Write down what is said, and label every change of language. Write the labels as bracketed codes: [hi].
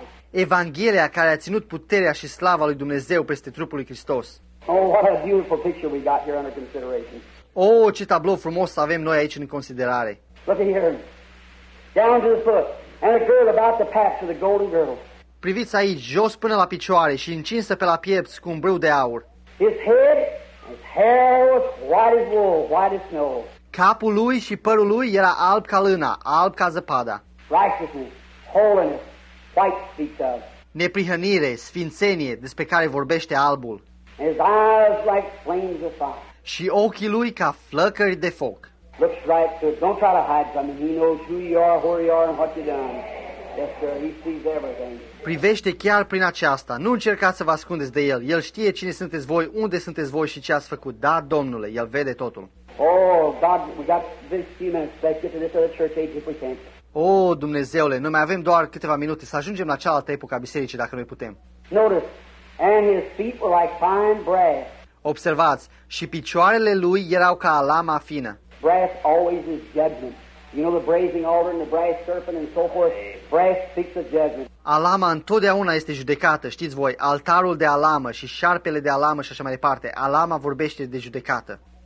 [ro] Evanghelia care a ținut puterea și slava lui Dumnezeu peste trupul lui Hristos. [en] Oh, what a beautiful picture we got here under consideration. [ro] Oh, ce tablou frumos avem noi aici în considerare. [en] Look here. Down to the foot. And a girl about the path to the golden girdle. [ro] Priviți aici, jos până la picioare și încinsă pe la piept cu un brâu de aur. [en] His head, his hair was white as wool, white as snow. [ro] Capul lui și părul lui era alb ca lâna, alb ca zăpada. [en] Righteousness, holiness, white speaks of. [ro] Neprihănire, sfințenie, despre care vorbește albul. [en] His eyes like flames of fire. [ro] Și ochii lui ca flăcări de foc. [en] Looks right to it. Don't try to hide from him. He knows who you are, where you are, and what you've done. Yes, sir. He sees everything. [ro] Privește chiar prin aceasta. Nu încercați să vă ascundeți de el. El știe cine sunteți voi, unde sunteți voi și ce ați făcut. Da, Domnule, el vede totul. [en] Oh, God, we got this few minutes. Let's get to this other church age if we can. [ro] Oh, Dumnezeule, noi mai avem doar câteva minute să ajungem la cealaltă epocă a bisericii, dacă noi putem. [en] Notice, and his feet were like fine brass. [ro] Observați, și picioarele lui erau ca lama fină. [en] Brass always is judgment. You know the brazen altar and the brass serpent and so forth. Brass speaks of judgment. [ro] Alama întotdeauna este judecată, știți voi, altarul de alamă și șarpele de alamă și așa mai departe. Alama vorbește de judecată.